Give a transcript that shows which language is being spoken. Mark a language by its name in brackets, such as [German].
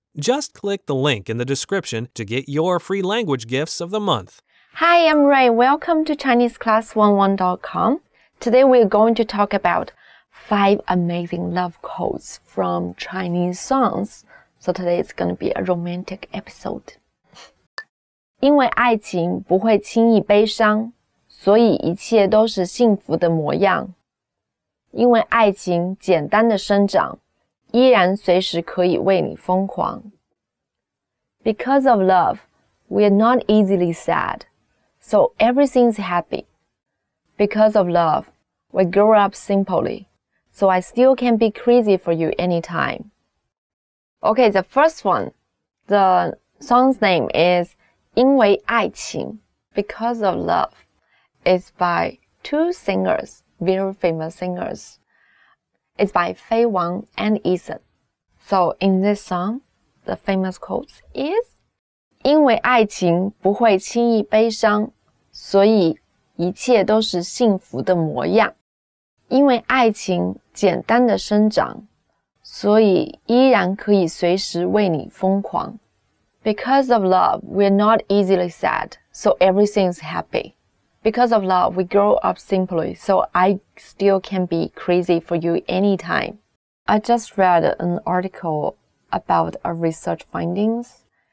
[English] Just click the link in the description to get your free language gifts of the month. Hi, I'm Ray. Welcome to ChineseClass11.com. Today we're going to talk about 5 amazing love quotes from Chinese songs. So today it's going to be a romantic episode. [Chinese] 因为爱情不会轻易悲伤，所以一切都是幸福的模样。因为爱情简单的生长，依然随时可以为你疯狂。 [English] Because of love, we are not easily sad, so everything's happy. Because of love, we grew up simply, so I still can be crazy for you anytime. Okay, the first one, the song's name is 因为爱情 Because of love. It's by 2 singers, very famous singers. It's by Fei Wang and Ethan. So in this song, the famous quote is [Chinese] 因为爱情不会轻易悲伤，所以一切都是幸福的模样。因为爱情简单的生长，所以依然可以随时为你疯狂。 [English] Because of love, we're not easily sad, so everything's happy. Because of love, we grow up simply, so I still can be crazy for you anytime. I just read an article about a research findings.